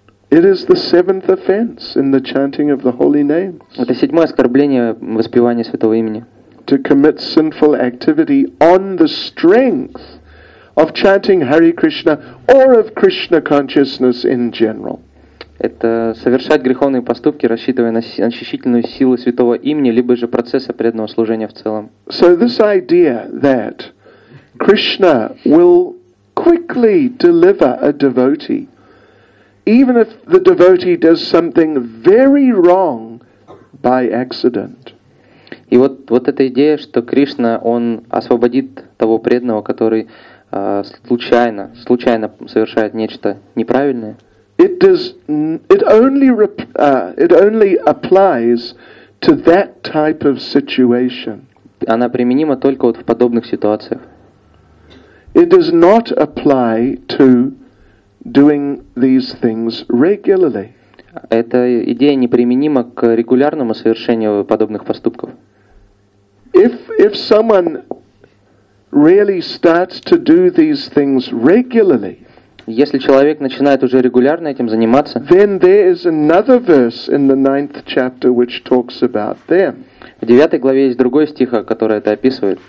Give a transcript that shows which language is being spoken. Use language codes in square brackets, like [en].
[en] It is the seventh offense in the chanting of the holy names. [ru] Это седьмое оскорбление воспевания святого имени. [en] To commit sinful activity on the strength of chanting Hare Krishna or of Krishna consciousness in general. [ru] Это совершать греховные поступки, рассчитывая на очищительную силу святого имени, либо же процесса преданного служения в целом. [en] So this idea that Krishna will quickly deliver a devotee, even if the devotee does something very wrong by accident. [ru] И вот эта идея, что Кришна, он освободит того преданного, который случайно совершает нечто неправильное. [en] It only applies to that type of situation. [ru] Она применима только вот в подобных ситуациях. [en] It does not apply to doing these things regularly. [ru] Эта идея неприменима к регулярному совершению подобных поступков. [en] If someone really starts to do these things regularly, [ru] если человек начинает уже регулярно этим заниматься, [en] then there is another verse in the ninth chapter which talks about them. [ru] В девятой главе есть другой стих, который это описывает.